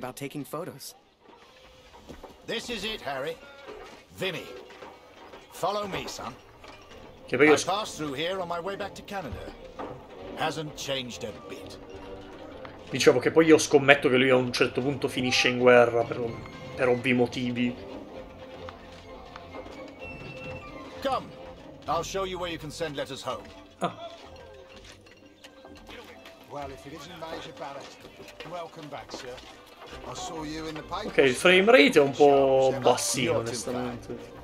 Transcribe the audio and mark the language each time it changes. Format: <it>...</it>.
<en>This is it, Harry. Vimy. Follow me, son.</en> <it>Che poi io...</it> <en>I passed through here on my way back to Canada. Hasn't changed a bit.</en> <it>Dicevo che poi io scommetto che lui a un certo punto finisce in guerra per ovvi motivi.</it> <en>Come. I'll show you where you can send letters home. Ah. Well, if it isn't Major Barrett, welcome back, sir. I saw you in the paper.</en> <it>Ok, il frame rate è un po' bassino, onestamente.</it>